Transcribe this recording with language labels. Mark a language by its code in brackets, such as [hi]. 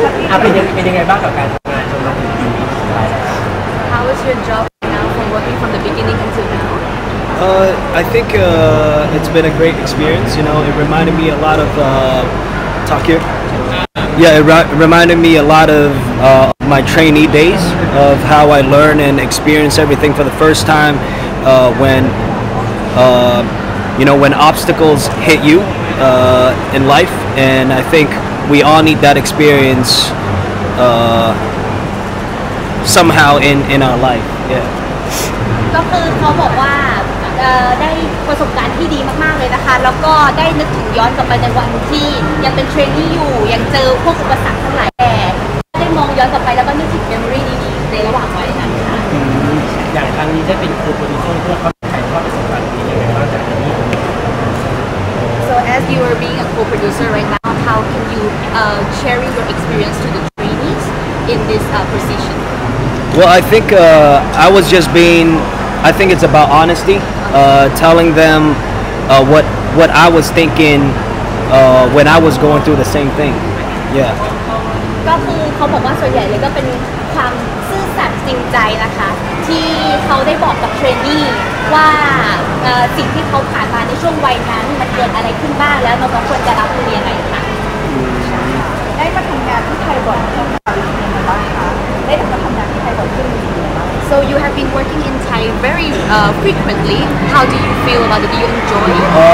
[th] อ่ะเป็นยังไงบ้างกับการทำงานจนมาถึงที่นี่ [en] How was your job now from working from the beginning until now? I think it's been a great experience. You know, it reminded me a lot of Tokyo. Yeah, it reminded me a lot of my trainee days of how I learn and experience everything for the first time. When obstacles hit you in life, and I think we all need that experience somehow in our life. Yeah. [th] ก็คือเขาบอกว่าได้ประสบการณ์ที่ดีมากๆเลยนะคะแล้วก็ได้นึกถึงย้อนกลับไปในวันที่ยังเป็นเทรนนี่อยู่ยังเจอพวกอุปสรรคทั้งหลายแต่ได้มองย้อนกลับไปแล้วก็นึกถึงเมมโมรี่ดีๆในระหว่างวัยนั้นค่ะอ ย่างครั้งนี้ได้เป็นครูโปรดิวเซอร์เพื่อเขาถ่ายทอดประสบการณ์ดีๆอย่างไรบ้างจากที่นี่ [en] So as you are being a co-producer right now how can you share your experience to the trainees in this position Well I think I was just beingI think it's about honesty, telling them what I was thinking when I was going through the same thing. Yeah. [th] ก็คือเขาบอกว่าส่วนใหญ่เลยก็เป็นความซื่อสัตย์จริงใจนะคะที่เขาได้บอกกับเทรนนี่ว่าสิ่งที่เขาผ่านมาในช่วงวัยนั้นมันเกิดอะไรขึ้นบ้างแล้วเราควรจะรับเรียนอะไรค่ะ ได้มาทำงานที่ไทยบ่อยขึ้นไหมคะได้มาทำงานที่ไทยบ่อยขึ้น [en] So you have been working in Thai very frequently. How do you feel about it? Do you enjoy it?